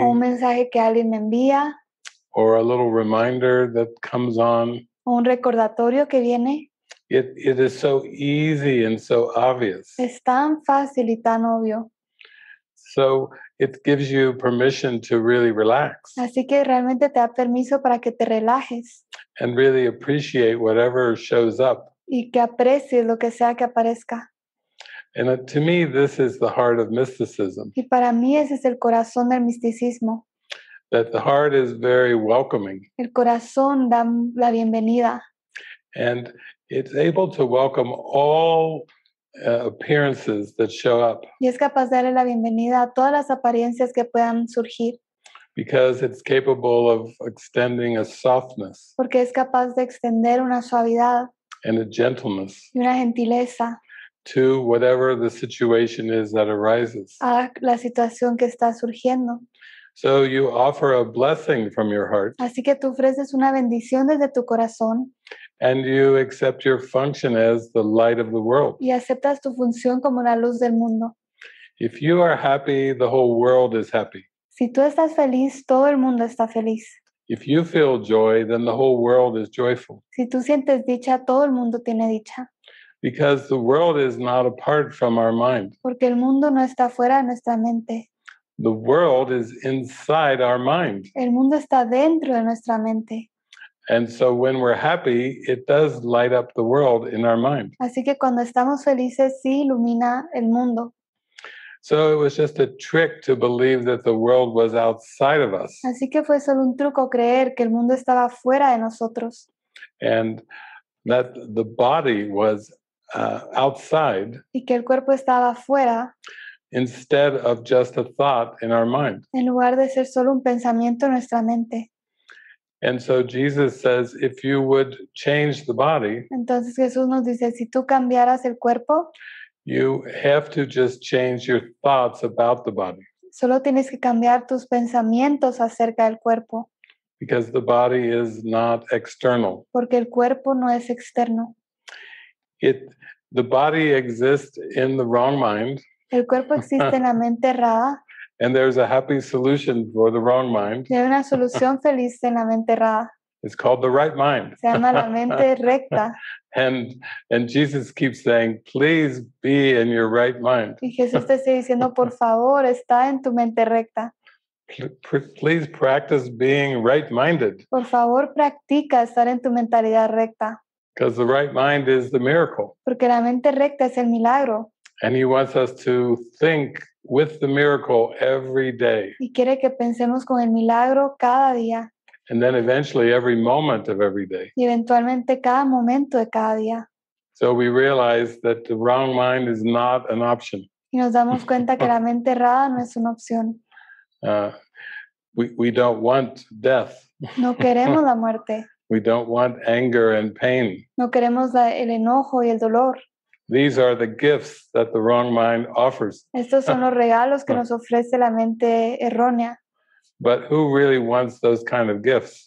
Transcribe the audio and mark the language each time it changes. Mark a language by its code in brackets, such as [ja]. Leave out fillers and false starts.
[es] O un mensaje que alguien me envía. [en] Or a little reminder that comes on. [es] O un recordatorio que viene. [en] It is so easy and so obvious. [es] Es tan fácil y tan obvio. [en] So it gives you permission to really relax. [es] Así que realmente te da permiso para que te relajes. [en] And really appreciate whatever shows up. [es] Y que aprecies lo que sea que aparezca. [en] And to me, this is the heart of mysticism. [es] Y para mí ese es el corazón del misticismo. [en] That the heart is very welcoming. [es] El corazón da la bienvenida. [en] And it's able to welcome all appearances that show up. [es] Y es capaz de darle la bienvenida a todas las apariencias que puedan surgir. [en] Because it's capable of extending a softness. [es] Porque es capaz de extender una suavidad. [en] And a gentleness. [es] Y una gentileza. [en] To whatever the situation is that arises. [es] A la situación que está surgiendo. [en] So you offer a blessing from your heart. [es] Así que tú ofreces una bendición desde tu corazón. [en] And you accept your function as the light of the world. [es] Y aceptas tu función como la luz del mundo. [en] If you are happy, the whole world is happy. [es] Si tú estás feliz, todo el mundo está feliz. [en] If you feel joy, then the whole world is joyful. [es] Si tú sientes dicha, todo el mundo tiene dicha. [en] Because the world is not apart from our mind. [es] Porque el mundo no está fuera de nuestra mente. [en] The world is inside our mind. [es] El mundo está dentro de nuestra mente. [en] And so when we're happy, it does light up the world in our mind. [es] Así que cuando estamos felices, sí ilumina el mundo. [en] So it was just a trick to believe that the world was outside of us. [es] Así que fue solo un truco creer que el mundo estaba fuera de nosotros. [en] And that the body was outside. [es] Y que el cuerpo estaba fuera. [en] Instead of just a thought in our mind. [es] En lugar de ser solo un pensamiento en nuestra mente. [en] And so Jesus says, if you would change the body. [es] Entonces Jesús nos dice, si tú cambiaras el cuerpo. [en] You have to just change your thoughts about the body. [es] Solo tienes que cambiar tus pensamientos acerca del cuerpo. [en] Because the body is not external. [es] Porque el cuerpo no es externo. [en] The body exists in the wrong mind. [es] El cuerpo existe en la mente errada. [en] And there's a happy solution for the wrong mind. [es] Y hay una solución feliz en la mente errada. [en] It's called the right mind. [es] Se llama la mente recta. [en] And Jesus keeps saying, please be in your right mind. [es] Y Jesús te sigue diciendo, por favor, está en tu mente recta. [en] Please practice being right-minded. [es] Por favor, practica estar en tu mentalidad recta. [en] Because the right mind is the miracle. [es] Porque la mente recta es el milagro. [en] And he wants us to think with the miracle every day. [es] Y quiere que pensemos con el milagro cada día. [en] And then eventually every moment of every day. [es] Y eventualmente cada momento de cada día. [en] So we realize that the wrong mind is not an option. [es] Y nos damos cuenta que la mente errada no es una opción. [en] We don't want death. [es] No queremos la muerte. [en] We don't want anger and pain. [es] No queremos el enojo y el dolor. [en] These are the gifts that the wrong mind offers. [es] Estos son los regalos que nos ofrece la mente errónea. [en] But who really wants those kind of gifts?